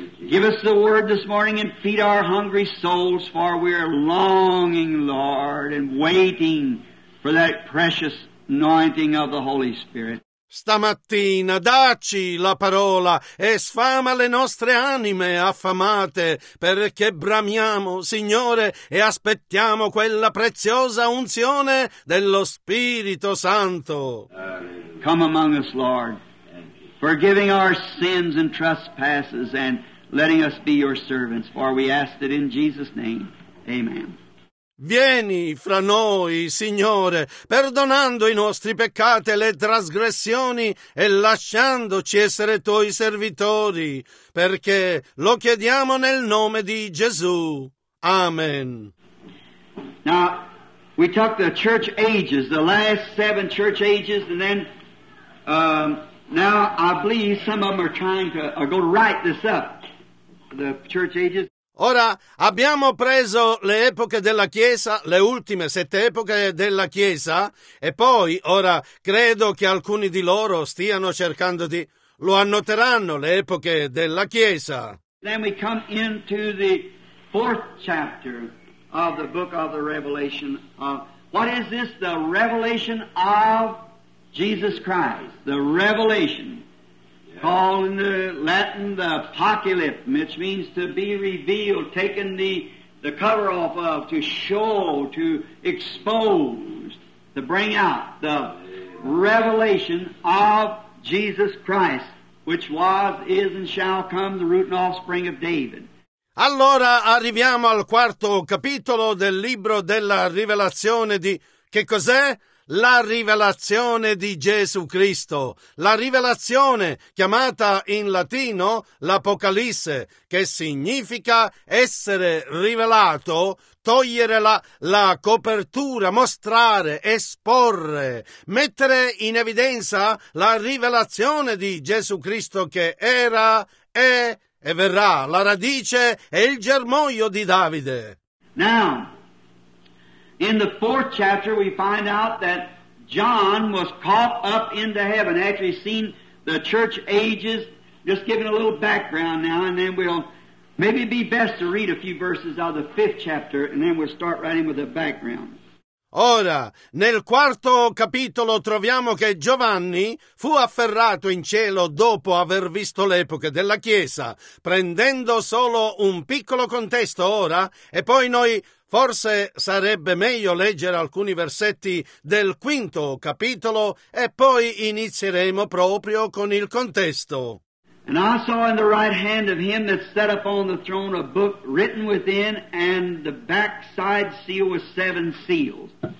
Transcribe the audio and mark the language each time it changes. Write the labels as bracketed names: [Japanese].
[English] Give us the word this morning and feed our hungry souls, for we are longing, Lord, and waiting for that precious anointing of the Holy Spirit. [Italian] Stamattina dacci la parola e sfama le nostre anime affamate, perché bramiamo, Signore, e aspettiamo quella preziosa unzione dello Spirito Santo. [English] Come among us, Lord, forgiving our sins and trespasses and letting us be your servants, for we ask it in Jesus' name. Amen. [Italian] Vieni fra noi, Signore, perdonando i nostri peccati e le trasgressioni e lasciandoci essere tuoi servitori, perché lo chiediamo nel nome di Gesù. Amen. [English] Now, we took the church ages, the last seven church ages, and then now I believe some of them are going to write this up, the church ages. [Italian] Ora abbiamo preso le epoche della Chiesa, le ultime sette epoche della Chiesa, e poi ora credo che alcuni di loro stiano cercando di lo annoteranno le epoche della Chiesa. [English] Then we come into the fourth chapter of the book of the Revelation. What is this? The revelation of Jesus Christ. The revelation. Called in the Latin the apocalypse, which means to be revealed, taking the cover off of, to show, to expose, to bring out the revelation of Jesus Christ, which was, is, and shall come the root and offspring of David. [Italian] Allora arriviamo al quarto capitolo del libro della rivelazione di Che cos'è? La rivelazione di Gesù Cristo, la rivelazione chiamata in latino l'Apocalisse, che significa essere rivelato, togliere la copertura, mostrare, esporre, mettere in evidenza la rivelazione di Gesù Cristo che era, è e verrà, la radice e il germoglio di Davide. [English] Now, in the fourth chapter we find out that John was caught up into heaven after he's seen the church ages. Just giving a little background now, and then we'll maybe be best to read a few verses out of the fifth chapter, and then we'll start writing with the background. [Italian] Ora, nel quarto capitolo troviamo che Giovanni fu afferrato in cielo dopo aver visto l'epoca della Chiesa, prendendo solo un piccolo contesto ora, e poi noi forse sarebbe meglio leggere alcuni versetti del quinto capitolo e poi inizieremo proprio con il contesto. [English] And I saw in the right hand of him that sat upon the throne a book written within, and the backside seal was seven seals.